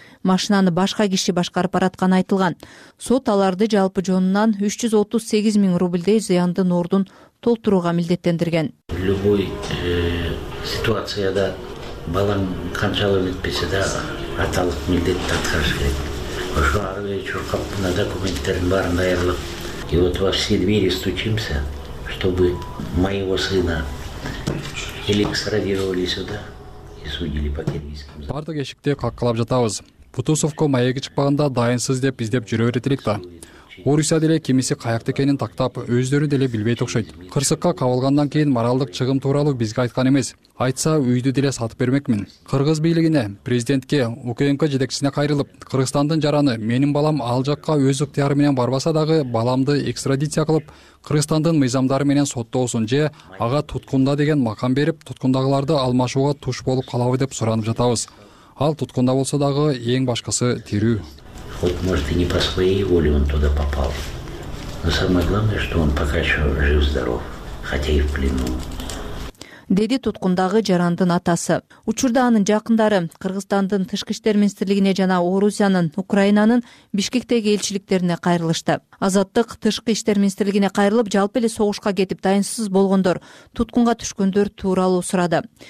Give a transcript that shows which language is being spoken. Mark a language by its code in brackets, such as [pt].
[ky] Машинаны башка киши башкарып бараткан айтылган. Сот аларды жалпы жонунан 338 000 рубльдей зыяндын ордун толтурууга милдеттендирген. Любой ситуацияда балаң канчалык өтпөсө да аталык милдетти аткарыш керек. Ошо ар бир чуркап мына документтердин баарын даярлап, [ru] и вот во все двери стучимся, чтобы моего сына или экстрадировали сюда и судили по киргизскому. [ky] Бардык эшикти каккылап жатабыз. Бутусовко маеги чыкпаганда дайынсыз деп издеп жүрө берет элек да. Орусия деле кимиси каякта экенин тактап, өздөрү деле билбейт окшойт. Кырсыкка кабылгандан кийин моралдык чыгым тууралуу бизге айткан эмес. Айтса, үйдү деле сатып бермекмин. Кыргыз бийлигине, президентке, УКМК жетекчисине кайрылып, Кыргызстандын жараны, менин балам ал жакка өз ыктыяры менен барбаса дагы, баламды экстрадиция кылып, Кыргызстандын мыйзамдары менен соттоосун же ага туткунда деген макам берип, туткундагыларды алмашууга туш болуп калабы деп суранып жатабыз. Ал туткунда болсо дагы, эң башкысы тирүү. [ru] Вот, может, и не по своей воле он туда попал. Но самое главное, что он пока еще жив-здоров, хотя и в плену. [ky] Деди туткундагы жарандын атасы. Учурда анын жакындары Кыргызстандын тышкы иштер министрлигине жана Орусиянын Украинанын Бишкектеги элчиликтерине кайрылышты. Азаттык тышкы иштер министрлигине кайрылып, жалпы эле согушка кетип дайынсыз болгондор, туткунга түшкөндөр тууралуу сурады.